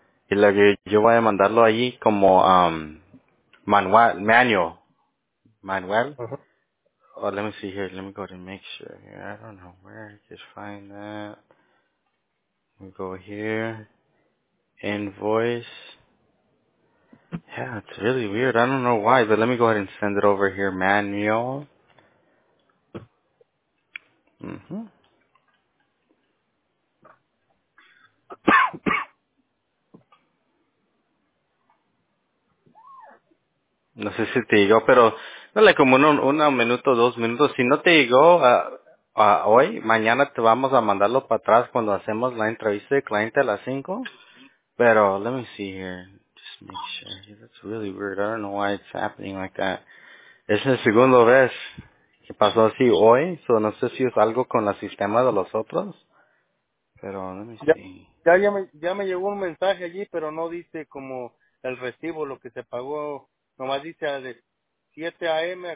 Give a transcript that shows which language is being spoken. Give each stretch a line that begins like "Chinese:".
Spanish: Y la que yo voy a mandarlo ahí como manual. Uh-huh.
English: Oh, let me see here. Let me go to make sure here. I don't know where I could find that. We go here. Invoice. Yeah, it's really weird. I don't know why, but let me go ahead and send it over here.
Spanish: Manual. No sé si te digo, pero... Dale como uno minuto, dos minutos. Si no te llegó hoy, mañana te vamos a mandarlo para atrás cuando hacemos la entrevista de cliente a las 5.
English: Pero, let me see here. Just make sure. That's really weird. I don't know why it's happening like that.
Spanish: Es la segunda vez que pasó así hoy. So, no sé si es algo con el sistema de los otros.
English: Pero, let me see.
Spanish: Ya me llegó un mensaje allí, pero no dice como el recibo, lo que se pagó. Nomás dice al... 7 a.m. a